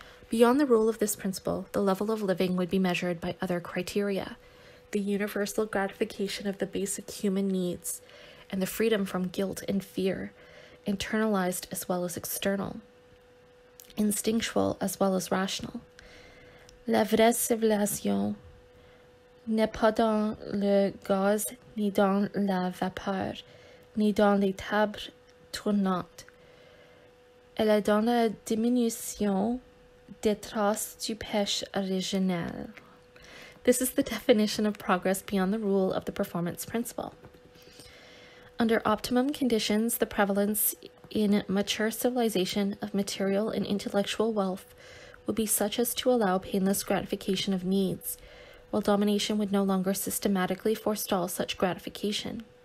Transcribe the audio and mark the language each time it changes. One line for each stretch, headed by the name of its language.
English: Beyond the rule of this principle, the level of living would be measured by other criteria. The universal gratification of the basic human needs, and the freedom from guilt and fear, internalized as well as external, instinctual as well as rational.
French: La vraie civilisation n'est pas dans le gaz, ni dans la vapeur, ni dans les tables tournantes. Elle est dans la diminution des traces du péché originel.
English: This is the definition of progress beyond the rule of the performance principle. Under optimum conditions, the prevalence in mature civilization of material and intellectual wealth would be such as to allow painless gratification of needs, while domination would no longer systematically forestall such gratification.